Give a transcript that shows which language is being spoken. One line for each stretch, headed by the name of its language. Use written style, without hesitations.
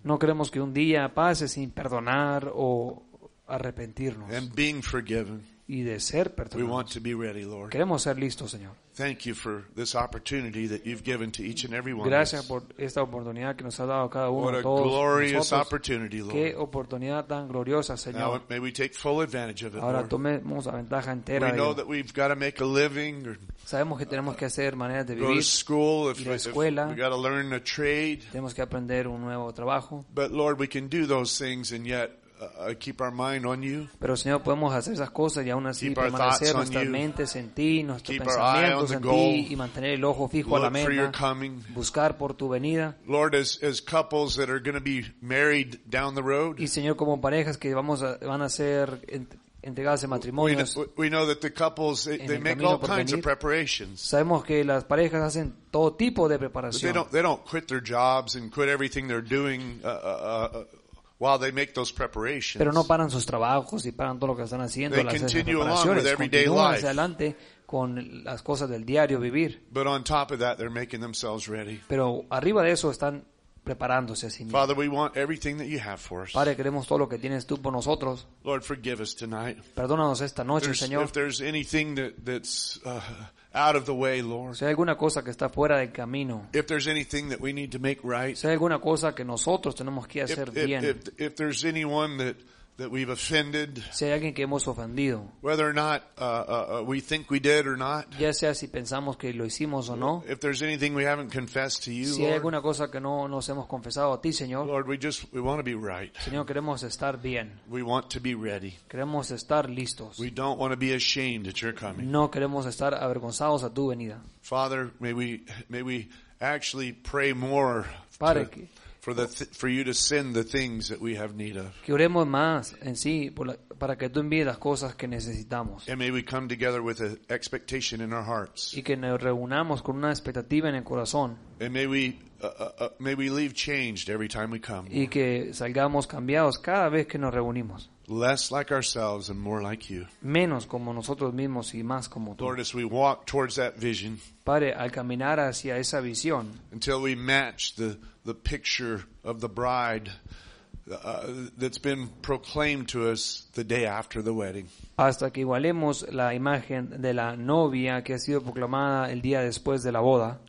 Spanish: No queremos que un día pase sin perdonar o arrepentirnos.
English: And being forgiven.
Spanish: Y de ser perdonados.
English: We want to be ready, Lord.
Spanish: Queremos ser listos, Señor.
English: Thank you for this opportunity that you've given to each and every one of us.
Spanish: Gracias por esta oportunidad que nos ha dado cada uno de todos.
English: What a glorious opportunity, Lord.
Spanish: Qué oportunidad tan gloriosa, Señor.
English: Now may we take full advantage of it.
Spanish: Ahora tomemos la ventaja entera de ello.
English: We know that we've got to make a living.
Spanish: Sabemos que tenemos que hacer maneras de vivir.
English: Go to school,
Spanish: ir a escuela.
English: We've got to learn a trade.
Spanish: Tenemos que aprender un nuevo trabajo.
English: But Lord, we can do those things and yet keep our mind on you.
Spanish: Pero Señor, podemos hacer esas cosas y aún así
English: keep
Spanish: permanecer nuestras mentes en ti, nuestros pensamientos en ti y mantener el ojo fijo
English: look
Spanish: a la meta.
English: For your coming.
Spanish: Buscar por tu venida.
English: Lord, as couples that are going to be married down the road.
Spanish: Y Señor, como parejas que van a ser entregadas en matrimonios.
English: We know that the couples they make all kinds of preparations.
Spanish: Sabemos que las parejas hacen todo tipo de preparación.
English: They don't quit their jobs and quit everything they're doing. While they make those preparations.
Spanish: Pero no paran sus trabajos y paran todo lo que están haciendo.
English: They
Spanish: las
English: continue
Spanish: esas
English: on with everyday life.
Spanish: Adelante con las cosas del diario vivir.
English: But on top of that, they're making themselves ready.
Spanish: Pero arriba de eso están preparándose a sí mismos.
English: Father, we want everything that you have for us.
Spanish: Padre, queremos todo lo que tienes tú por nosotros.
English: Lord, forgive us tonight.
Spanish: Perdónanos esta noche,
English: there's,
Spanish: Señor.
English: If there's anything that's out of the way, Lord.
Spanish: Si hay alguna cosa que está fuera del camino.
English: If there's anything that we need to make right.
Spanish: Si hay alguna cosa que nosotros tenemos que hacer bien.
English: If there's anyone that we've offended.
Spanish: Si hay alguien que hemos ofendido.
English: Whether or not we think we did or not.
Spanish: Ya sea si pensamos que lo hicimos o no.
English: If there's anything we haven't confessed to you, Lord.
Spanish: Si hay alguna cosa que no nos hemos confesado a ti, Señor.
English: Lord, we want to be right.
Spanish: Señor, queremos estar bien.
English: We want to be ready.
Spanish: Queremos estar listos.
English: We don't want to be ashamed at your coming.
Spanish: No queremos estar avergonzados a tu venida.
English: Father, may we actually pray more.
Spanish: Padre,
English: For you to send the things that we have need of.
Spanish: Que oremos más en sí para que tú envíes las cosas que necesitamos.
English: And may we come together with an expectation in our hearts.
Spanish: Y que nos reunamos con una expectativa en el corazón.
English: And may we leave changed every time we come.
Spanish: Y que salgamos cambiados cada vez que nos reunimos.
English: Less like ourselves and more like you.
Spanish: Menos como nosotros mismos y más como tú.
English: Lord, as we walk towards that vision.
Spanish: Padre, al caminar hacia esa visión.
English: Until we match the picture of the bride that's been proclaimed to us the day after the wedding.
Spanish: Hasta que igualemos la imagen de la novia que ha sido proclamada el día después de la boda.